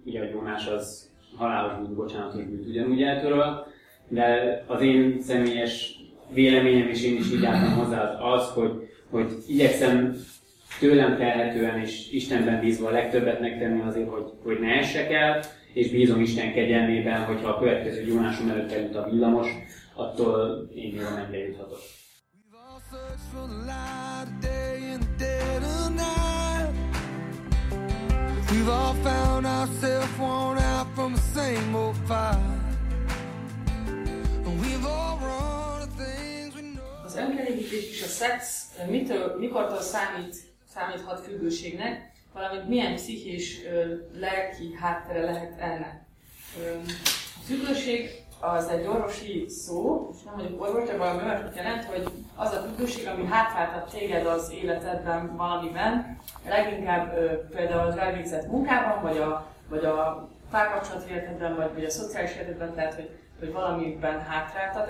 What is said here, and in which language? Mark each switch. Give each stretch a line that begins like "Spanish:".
Hungarian: Ugye a gyónás az halálos bűn, bocsánatos bűnt ugyanúgy eltöröl, de az én személyes véleményem, és én is így álltam hozzá, az, hogy igyekszem tőlem telhetően és Istenben bízva a legtöbbet megtenni azért, hogy ne essek el, és bízom Isten kegyelmében, hogyha a következő gyónásom előtt eljut a villamos, attól én jól nem bejuthatok.
English: Search for the light of day in the dead of night. We've all found ourselves worn out from the same old fight. And we've all run things we know.
Hungarian: Az önkielégítés és a szex mikortól számíthat függőségnek, valamint milyen pszichés lelki háttere lehet ennek? A függőség az egy orvosi szó, és nem vagyok orvos, de valami olyasmit jelent, hogy az a függőség, ami hátráltat téged az életedben valamiben, leginkább például az elvégzett munkában, vagy a párkapcsolat életedben, vagy a szociális életedben, tehát hogy valamiben hátráltat.